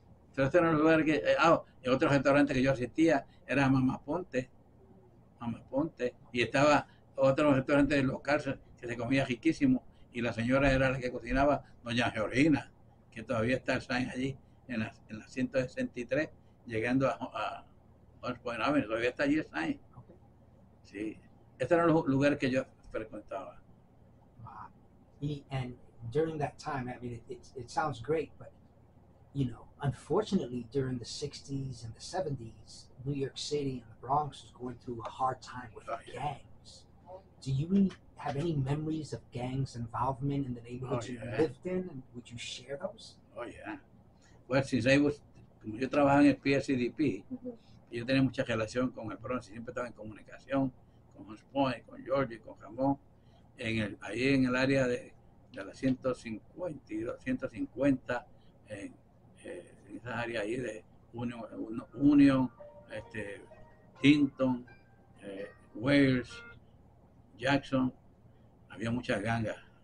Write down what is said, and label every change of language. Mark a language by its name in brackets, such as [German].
[Spanish] Entonces, este era un lugar que, el otro restaurante que yo asistía era Mamá Ponte, y estaba otro restaurante de los cárceles que se comía riquísimo, y la señora era la que cocinaba, Doña Georgina, que todavía está el sign allí, en la 163, llegando a Homes Point Avenue, todavía está allí el sign. Sí, este era el lugar que yo frecuentaba. [English] And during that time, I mean, it sounds great, but, you know, unfortunately, during the 60s and the 70s, New York City and the Bronx was going through a hard time with gangs. Do you have any memories of gangs' involvement in the neighborhoods you lived in? And would you share those? Oh, yeah. Well, since I was, [Spanish] como yo trabajaba en el PSCDP, yo tenía mucha relación con el Bronx, siempre estaba en comunicación con Homes Point, con George, con Ramón. Ahí en el área de la 150, en esa área ahí de Union, Hinton, Wales, Jackson, había muchas gangas.